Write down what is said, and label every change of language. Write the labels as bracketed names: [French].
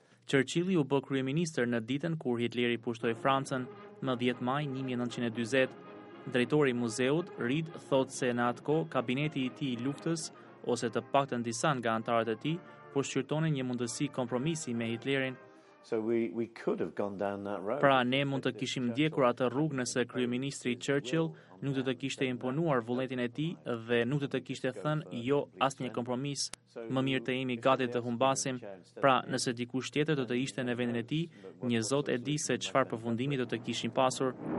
[Albanian] Churchilli u bë kryeministër në ditën kur Hitleri pushtoi Francën, më 10 maj 1940. Drejtori i muzeut, Reed, thotë se në atë kohë kabineti i tij i luftës ose të paktën disa nga anëtarët e tij pushtonin një mundësi kompromisi me Hitlerin. [English] So we could have gone down that road. [Albanian] Pra ne mund të kishim ndjekur atë rrugë nëse kryeministri Churchill nuk do të kishte imponuar vullnetin e tij dhe nuk do të kishte thënë jo asnjë kompromis. Më mirë të jemi gati të humbasim. Pra, nëse dikush tjetër do të ishte në vendin e tij, një Zot e di se çfarë përfundimi do të kishim pasur.